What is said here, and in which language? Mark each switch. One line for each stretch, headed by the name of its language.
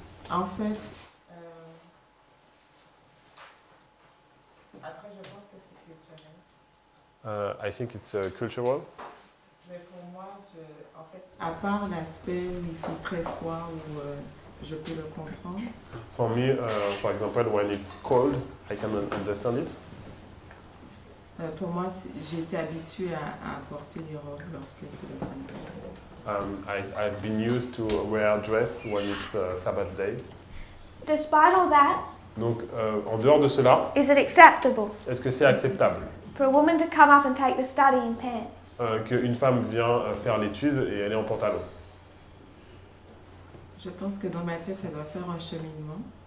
French: En fait, après je pense que c'est culturel.
English: I think it's cultural.
French: Mais pour moi, en fait, à part l'aspect où il fait très froid ou. Je peux le comprendre.
English: For me, for example, when it's cold, I cannot understand it.
French: Pour moi, j'étais habituée à porter des robes lorsque c'est le Sabbath.
English: I've been used to wear a dress when it's Sabbath day. Despite all that.
French: Donc, en dehors de cela.
English: Is it acceptable?
French: Est-ce que c'est acceptable?
English: For a woman to come up and take the study in pants.
French: Qu'une femme vient faire l'étude et elle est en pantalon. Je pense que dans ma tête, ça doit faire un cheminement.